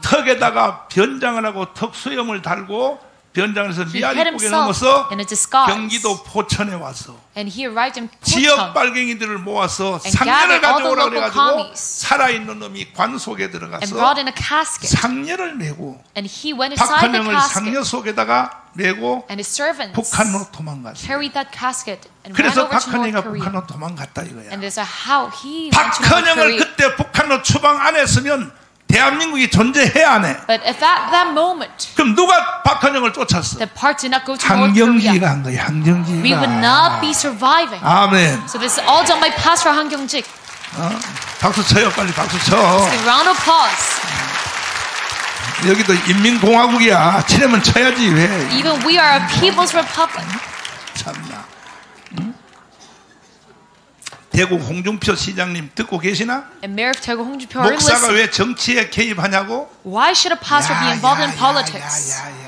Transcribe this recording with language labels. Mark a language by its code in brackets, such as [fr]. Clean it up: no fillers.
[ko] 턱에다가 변장을 하고 턱수염을 달고 변장해서 미아리 꼬개 넘어서 경기도 포천에 와서 지역 빨갱이들을 모아서 상례를 가져오라 그래가지고 살아있는 놈이 관 속에 들어가서 상례를 메고 박헌영을 상례 속에다가 메고 북한으로 도망갔어요. 그래서 박헌영이 북한으로 도망갔다 이거야. 박헌영을 그때 북한으로 추방 안 했으면 대한민국이 존재해야 안 해. [en] But if at that moment, [ko] 그럼 누가 박헌영을 쫓았어? [en] The part did not go to [ko] 한경지가 한 거야. 한경지가. [en] We would not be surviving. [ko] 아멘. [en] So this is all done by Pastor 한경직. [ko] 박수 쳐요, 빨리 박수 쳐. [en] Let's give a round of applause. [ko] 여기도 인민공화국이야. 치려면 쳐야지 왜? [en] Even we are a people's republic. [ko] 참나. 대구 홍준표 시장님 듣고 계시나? [en] And Mayor of 대구 홍준표, [ko] 목사가 왜 정치에 개입하냐고? [en] Why should a pastor be involved in politics?